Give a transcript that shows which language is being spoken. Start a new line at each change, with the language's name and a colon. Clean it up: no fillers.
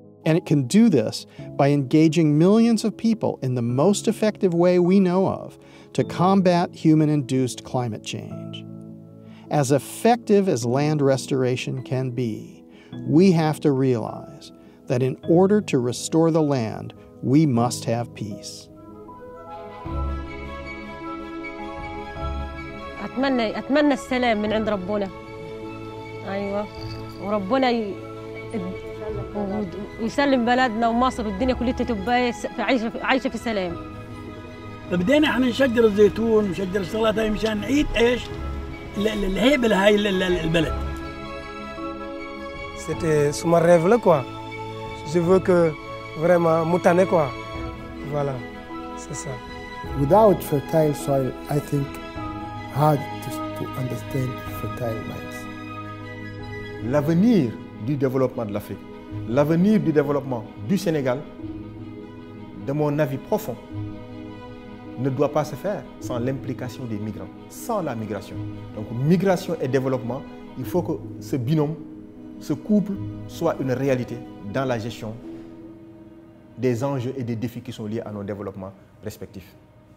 English: And it can do this by engaging millions of people in the most effective way we know of to combat human-induced climate change. As effective as land restoration can be, we have to realize that in order to restore the land, we must have peace.
Arabic: أتمنى السلام من عند ربنا أيوة وربنا يسلم بلدنا ومصر والدنيا كلها تبقى عايشة في سلام بدينا احنا نشجر الزيتون ونشجر الشغلات هاي مشان نعيد ايش الهيبة هاي البلد
French: c'était sur mon rêve là quoi je veux que vraiment mutane quoi voilà c'est ça
English: without fertile soil I think hard to understand fertile lands.
French: L'avenir du développement de l'Afrique, l'avenir du développement du Sénégal, de mon avis profond, ne doit pas se faire sans l'implication des migrants, sans la migration. Donc migration et développement, il faut que ce binôme, ce couple, soit une réalité dans la gestion des enjeux et des défis qui sont liés à nos développements respectifs.